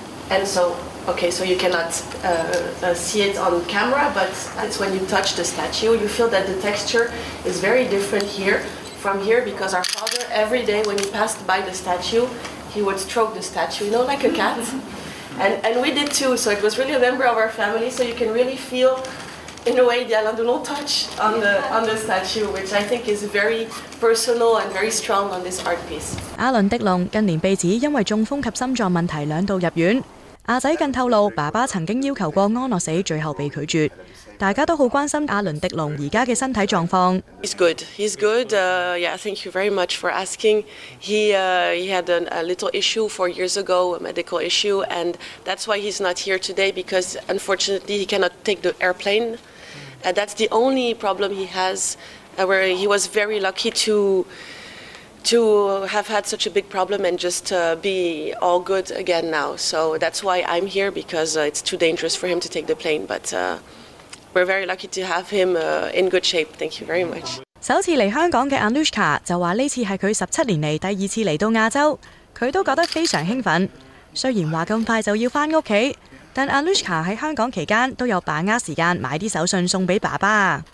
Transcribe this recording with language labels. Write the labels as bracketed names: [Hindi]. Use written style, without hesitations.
[English] And so you cannot see it on camera, but it's when you touch the statue, you feel that the texture is very different here from here because our father, every day when he passed by the statue, he would stroke the statue, you know, like a cat. And we did too, so it was really a member of our family, so you can really feel. In a way, the Alain Delon touch on the statue, which I think is very personal and very strong on this art piece. [Cantonese] 阿倫迪隆近年被指因為中風及心臟問題兩度入院。阿仔更透露，爸爸曾經要求過安樂死，最後被拒絕。大家都好關心阿倫迪隆而家嘅身體狀況。 [English] He's good. He's good. Yeah, thank you very much for asking. He had a little issue 4 years ago, a medical issue, and that's why he's not here today because unfortunately he cannot take the airplane. That's the only problem he has. Where he was very lucky to have had such a big problem and just be all good again now. So that's why I'm here because it's too dangerous for him to take the plane, but. We're very lucky to have him in good shape. Thank you very much. [Cantonese] 首次嚟香港嘅 Anushka 就话呢次系佢17年嚟第二次嚟到亚洲，佢都觉得非常兴奋。虽然话咁快就要翻屋企，但 Anushka 喺香港期间都有把握时间买啲手信送俾爸爸。